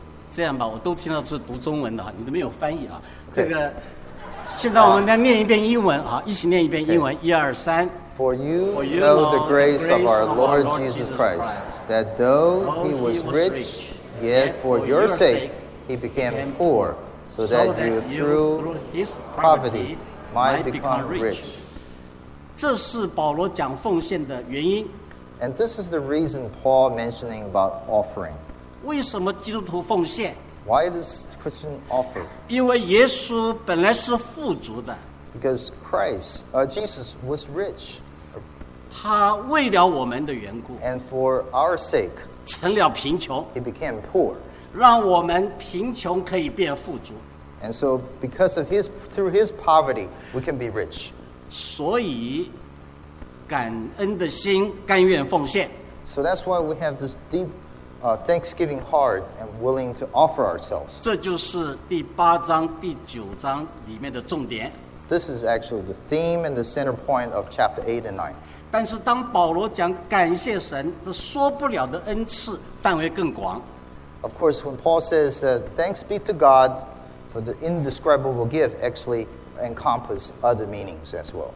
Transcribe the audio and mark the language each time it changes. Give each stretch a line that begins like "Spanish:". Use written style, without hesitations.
Chinese: 这样吧，我都听到是读中文的，你都没有翻译啊。
English: Okay.
Chinese: 这个，现在我们来念一遍英文啊，一起念一遍英文，
English: okay.
Chinese: 一二三。
English: For you know the grace of our Lord Jesus Christ, that though he was rich, yet for your sake he became poor, so that you through his poverty might become rich.
Chinese: 这是保罗讲奉献的原因。
English: And this is the reason Paul mentioning about offering.
Chinese: 为什么基督徒奉献？
English: Why does Christian offer?
Chinese: 因为耶稣本来是富足的。
English: Because Christ, Jesus was rich.
Chinese: 他为了我们的缘故。
English: And for our sake.
Chinese: 成了贫穷。
English: He became poor.
Chinese: 让我们贫穷可以变富足。
English: And so because of his, through his poverty, we can be rich.
Chinese: 所以感恩的心，甘愿奉献。
English: So that's why we have this deep,thanksgiving heart and willing to offer ourselves.
Chinese: 这就是第八章第九章里面的重点。
English: This is actually the theme and the center point of chapter 8 and 9.
Chinese: 但是当保罗讲感谢神，这说不了的恩赐范围更广。
English: Of course, when Paul says that thanks be to God for the indescribable gift actually encompass other meanings as well.